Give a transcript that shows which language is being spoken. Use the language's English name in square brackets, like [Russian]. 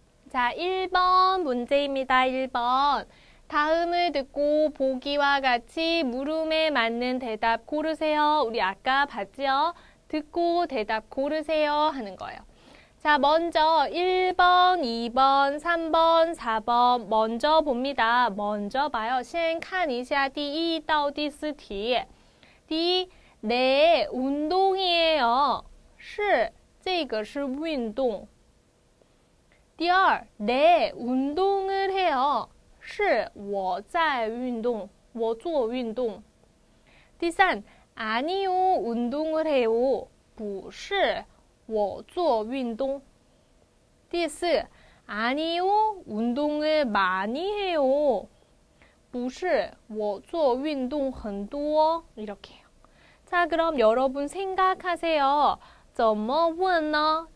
[Korean] 자, 1번 문제입니다. 1번. 다음을 듣고 보기와 같이 물음에 맞는 대답 고르세요. 우리 아까 봤죠? 듣고 대답 고르세요. 하는 거예요. 자, 먼저 1번, 2번, 3번, 4번 먼저 봅니다. 먼저 봐요. [Chinese] 先看一下第一到第四题. 第一, [Korean] 네, 운동이에요. [Chinese] 是, 这个是运动. 第二, [Korean] 네, 운동을 해요. [Chinese] 是, 我做运动. [Korean] 第三, 아니요, 운동을 해요. [Chinese] 不是, 我做运动. 第四， [Korean] 아니요，운동을많이해요， [Chinese] 不是，我做运动很多， [Korean] 이렇게요。 자그럼여러분생각하세요， [Chinese] 怎么问呢？